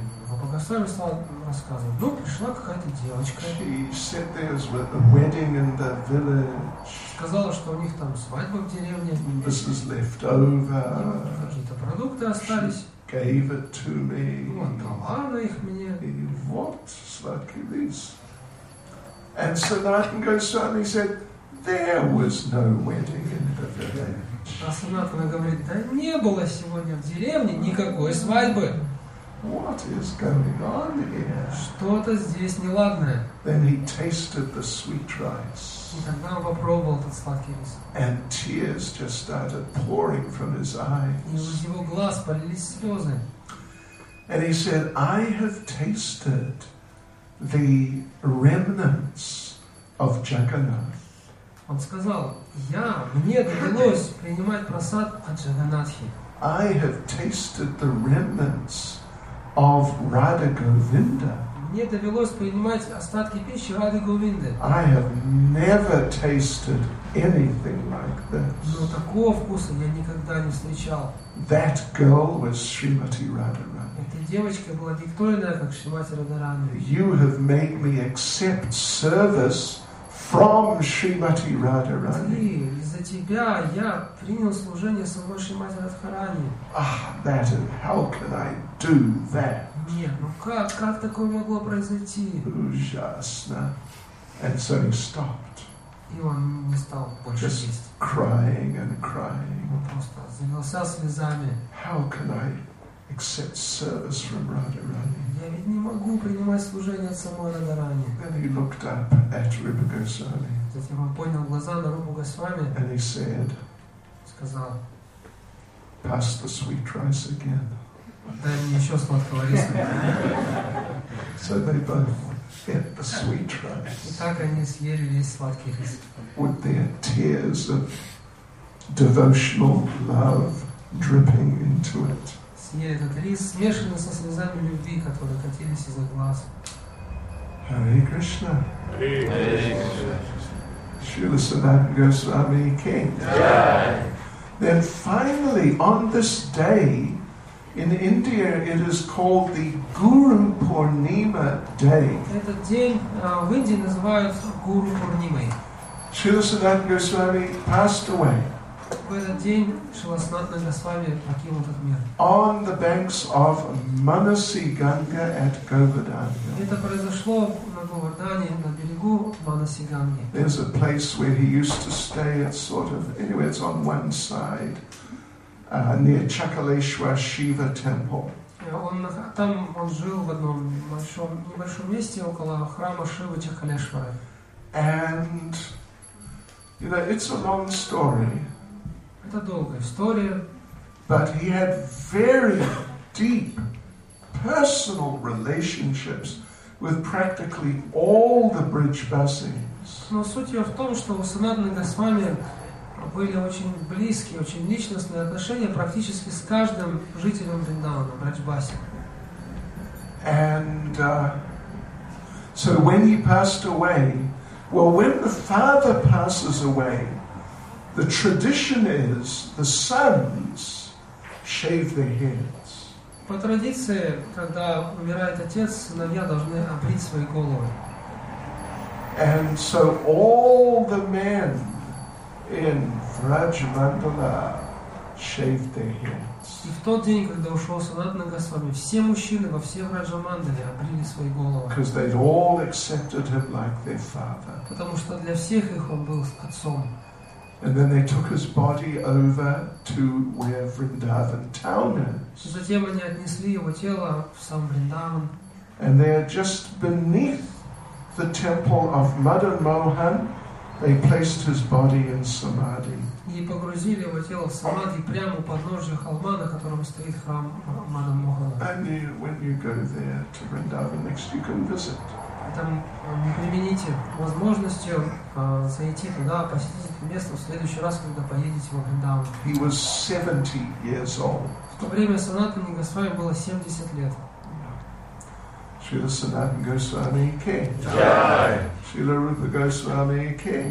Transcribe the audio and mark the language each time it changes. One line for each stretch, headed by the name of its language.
Russian: Рупа Госвами стал рассказывать, ну, пришла какая-то девочка.
English: She said there was a wedding in the village.
Russian: Сказала, что у них там свадьба в деревне.
English: This is left over.
Russian: Какие-то продукты остались.
English: She gave it to me.
Russian: Ну, отдала она их мне. И вот сладкий рис.
English: And Sanatana Goswami said, there was no wedding in the village.
Russian: А Санатана говорит, да не было сегодня в деревне никакой свадьбы.
English: What is going on here?
Russian: Что-то здесь неладное.
English: Then he tasted the sweet rice.
Russian: И тогда он попробовал этот сладкий рис.
English: And tears just started pouring from his eyes.
Russian: И из его глаз полились слезы.
English: And he said, I have tasted the remnants of Jagannath.
Russian: Он сказал, мне довелось принимать прасад от Джаганатхи.
English: I have tasted the remnants of Radha Govinda.
Russian: Мне довелось принимать остатки пищи Рады Говинды.
English: I have never tasted anything like this.
Russian: Но такого вкуса я никогда не встречал.
English: That girl was Srimati Radharani.
Russian: Эта девочка была диктойная, как Шримати Радхарани.
English: You have made me accept service from Srimati Radharani.
Russian: Из-за тебя я принял служение самой Шримати Радхарани.
English: That is, how can I do that?
Russian: Нет, ну как такое могло произойти? Ужасно.
English: And so he stopped.
Russian: И он не стал больше
English: just
Russian: есть.
English: Crying and crying.
Russian: Он просто занялся слезами.
English: How can I accept service from Radharani.
Russian: Я ведь не могу принимать служение от самой Радхарани.
English: Then he looked up at Rupa Goswami.
Russian: Затем он поднял глаза на Рупу Госвами.
English: And he said,
Russian: сказал,
English: pass the sweet rice again.
Russian: Дай мне еще сладкого риса.
English: So they both ate the sweet rice.
Russian: И так они съели весь сладкий рис.
English: With their tears of devotional love dripping into it.
Russian: Съели этот рис, смешанный со слезами любви, которые катились из-за глаз.
English: Hare Krishna. Hare Krishna. Srila Goswami King. Jai. Then finally, on this day, in India, it is called the Guru Purnima Day.
Russian: Этот день в Индии называют Гуру Пурнимой.
English: Srila Siddhanta Goswami passed away.
Russian: В этот день Шрила Санатана Госвами покинул этот мир.
English: On the banks of Manasi Ganga at Govardhana.
Russian: Это произошло на Говардане, на берегу Манаси Ганги.
English: There's a place where he used to stay at sort of, anyway, it's on one side, near Chakaleshwar Shiva Temple.
Russian: Там он жил в одном большом, небольшом месте около храма Шивы Чакалешвара.
English: And, you know, it's a long story.
Russian: Это долгая история.
English: But he had very deep personal relationships with practically all the bridge busings.
Russian: Но суть ее в том, что у Санатана Госвами были очень близкие, очень личностные отношения практически с каждым жителем Вриндавана, бридж-баси.
English: And so when he passed away, well, when the father passes away, the tradition is the sons shave their heads.
Russian: По традиции, когда умирает отец, сыновья должны обрить свои головы.
English: And so all the men in Vrajmandala shave their heads.
Russian: И в тот день, когда ушел Санатана Госвами, все мужчины во всей Враджамандале обрили свои головы.
English: Because they'd all accepted him like their father.
Russian: Потому что для всех их он был отцом.
English: And then they took his body over to where Vrindavan town is.
Russian: Затем они отнесли его тело в сам Вриндаван.
English: And they are just beneath the temple of Madan Mohan. They placed his body in Samadhi.
Russian: И погрузили его тело в Самадхи прямо у подножия холма, на котором стоит храм Мадан Мохана.
English: And you, when you go there to Vrindavan next, you can visit.
Russian: Там не примените возможностью зайти туда, посетить это место в следующий раз, когда поедете во Вриндаван.
English: He was 70 years old.
Russian: В то время Санатана Госвами было 70 лет.
English: Srila Sanatan Goswami King. Jai. Srila Rupa Goswami King.